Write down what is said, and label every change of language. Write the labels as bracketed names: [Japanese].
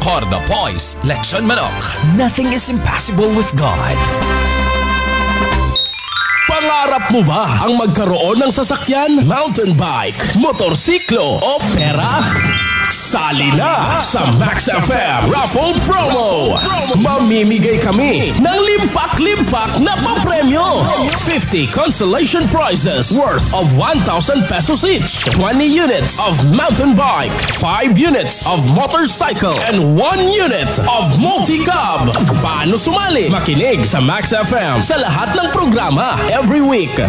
[English] Korda Boys Lechon Manok, nothing is impossible with God. [Filipino] Pangarap mo ba ang magkaroon ng sasakyan, mountain bike, motorsiklo o pera? Sali na sa Max FM Raffle Promo! Mamimigay kami ng limpak-limpak na pampremyo! [English] 50 consolation prizes worth of 1,000 pesos each, 20 units of mountain bike, 5 units of motorcycle, and 1 unit of multi-cab. [Filipino] Paano sumali? Makinig sa Max FM sa lahat ng programa [English] every week.